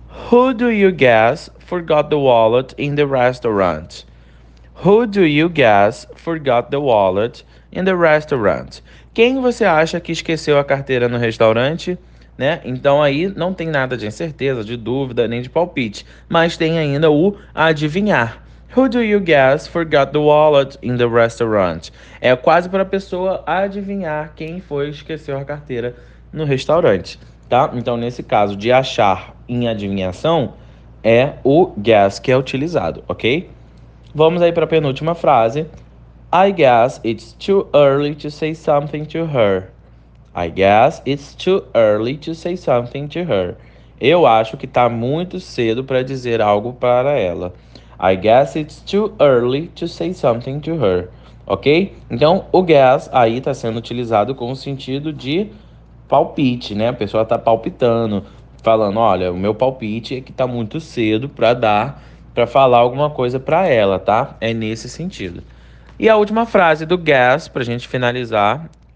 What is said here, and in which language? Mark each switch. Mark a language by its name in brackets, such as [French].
[English] Who do you guess forgot the wallet in the restaurant? Who do you guess forgot the wallet in the restaurant? [Portuguese] Quem você acha que esqueceu a carteira no restaurante? Né? Então aí não tem nada de incerteza, de dúvida, nem de palpite, mas tem ainda o adivinhar. [English] Who do you guess forgot the wallet in the restaurant? [Portuguese] É quase para a pessoa adivinhar quem foi e esqueceu a carteira no restaurante, tá? Então nesse caso de achar em adivinhação é o guess que é utilizado, ok? Vamos aí para a penúltima frase. [English] I guess it's too early to say something to her. I guess it's too early to say something to her. [Portuguese] Eu acho que tá muito cedo para dizer algo para ela. [English] I guess it's too early to say something to her. [Portuguese] Ok? Então, o guess aí está sendo utilizado com o sentido de palpite, né? A pessoa tá palpitando, falando: olha, o meu palpite é que tá muito cedo para falar alguma coisa para ela, tá? É nesse sentido. E a última frase do guess, para a gente finalizar.